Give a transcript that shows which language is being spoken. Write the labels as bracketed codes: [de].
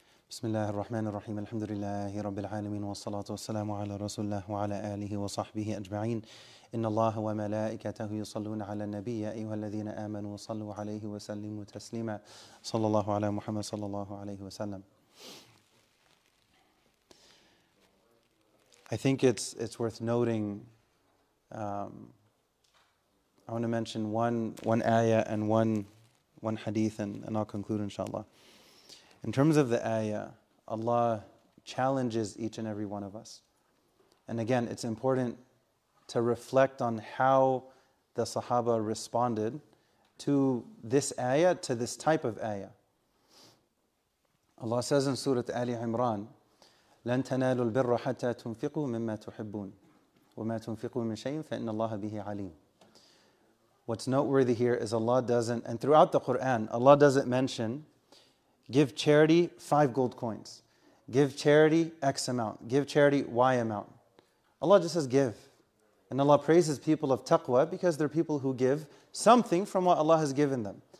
[ar] بسم الله الرحمن الرحيم الحمد لله رب العالمين والصلاة والسلام على رسول الله وعلى آله وصحبه أجمعين إن الله وملائكته يصلون على النبي يا أيها الذين آمنوا صلوا عليه وسلموا تسليما صلى الله على محمد صلى الله عليه وسلم. [en] I think it's worth noting, I want to mention one ayah and one hadith and I'll conclude inshallah. In terms of the ayah, Allah challenges each and every one of us. And again, it's important to reflect on how the Sahaba responded to this ayah, to this type of ayah. Allah says in Surah Ali Imran [ar] لن تنالوا البر حتى تنفقوا مما تحبون وما تنفقوا من شيء فإن الله به عليم. [en] What's noteworthy here is Allah doesn't, and throughout the Quran, Allah doesn't mention, give charity 5 gold coins. Give charity X amount. Give charity Y amount. Allah just says give. And Allah praises people of taqwa because they're people who give something from what Allah has given them.